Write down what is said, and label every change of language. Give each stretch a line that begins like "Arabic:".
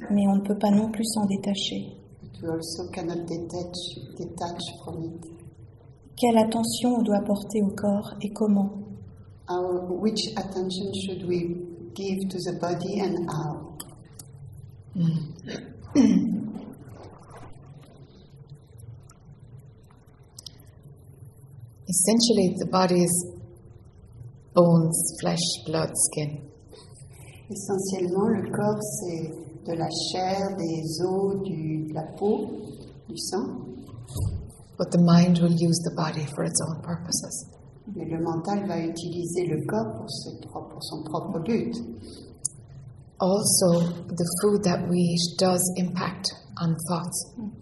French: Mais on ne peut pas non plus s'en détacher.
English: But we also cannot detach from it.
French: Quelle attention on doit porter au corps et comment?
English: Which attention should we give to the body and how? Essentially, the body is bones, flesh, blood, skin.
French: Essentiellement, le corps c'est de la chair, des os, de la peau, du sang.
English: But the mind will use the body for its own purposes.
French: Mais le mental va utiliser le corps pour son propre but.
English: Also, the food that we eat does impact on thoughts.